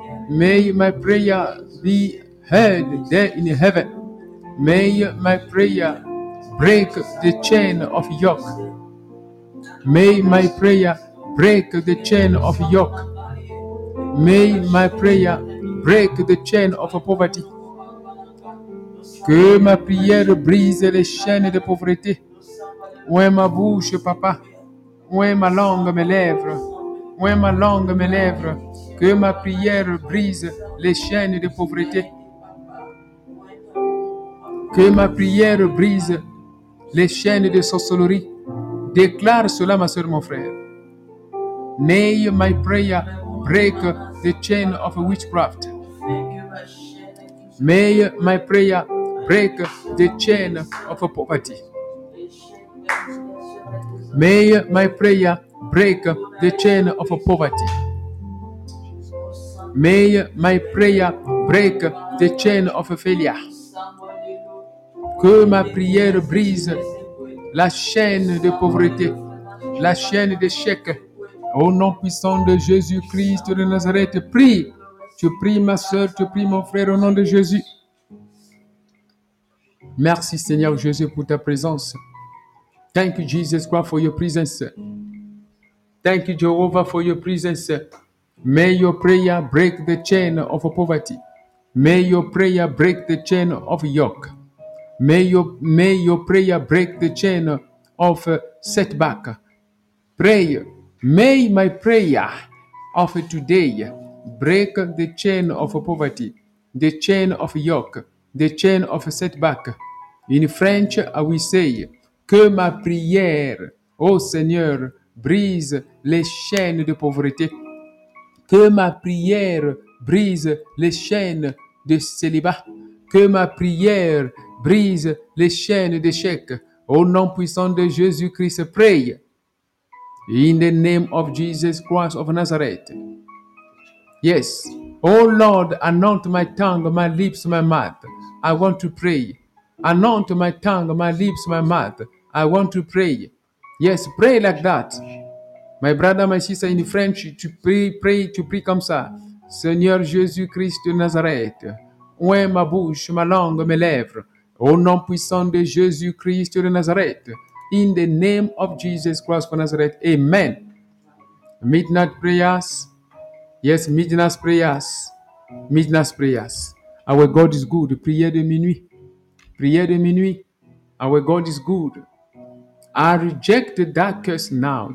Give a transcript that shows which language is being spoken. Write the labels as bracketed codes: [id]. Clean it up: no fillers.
[en] May my prayer be heard there in heaven. May my prayer break the chain of yoke. May my prayer break the chain of yoke. May my prayer break the chain of poverty. [fr] Que ma prière brise les chaînes de pauvreté. Ouais ma bouche, papa. Ouais ma langue, mes lèvres. Ouais ma langue, mes lèvres. Que ma prière brise les chaînes de pauvreté. Que ma prière brise les chaînes de sorcellerie. Déclare cela, ma soeur, mon frère. [en] May my prayer break the chain of witchcraft. May my prayer break the chain of poverty. May my prayer break the chain of poverty. May my prayer break the chain of failure. [fr] Que ma prière brise la chaîne de pauvreté, la chaîne d'échec. Au nom puissant de Jésus-Christ de Nazareth, prie. Tu pries, ma soeur, tu pries, mon frère, au nom de Jésus. Merci, Seigneur Jésus, pour ta présence. [en] Thank you, Jesus Christ, for your presence. Thank you, Jehovah, for your presence. May your prayer break the chain of poverty. May your prayer break the chain of yoke. May your prayer break the chain of setback. Pray. May my prayer of today break the chain of poverty, the chain of yoke, the chain of setback. In French, I will say, [fr] que ma prière, ô Seigneur, brise les chaînes de pauvreté. Que ma prière brise les chaînes de célibat. Que ma prière brise les chaînes d'échec. Au nom puissant de Jésus-Christ, [en] pray. In the name of Jesus Christ of Nazareth. Yes. Oh Lord, anoint my tongue, my lips, my mouth. I want to pray. Anoint my tongue, my lips, my mouth. I want to pray. Yes, pray like that. My brother, my sister, in French, to pray, pray, to pray [fr] comme ça. Seigneur Jésus-Christ de Nazareth. Ouais, ma bouche, ma langue, mes lèvres. Au nom puissant de Jésus-Christ de Nazareth. [en] In the name of Jesus Christ of Nazareth. Amen. Midnight prayers. Yes, midnight prayers. Midnight prayers. Our God is good. [fr] Prière de minuit. Prière de minuit. [en] Our God is good. I reject that curse now.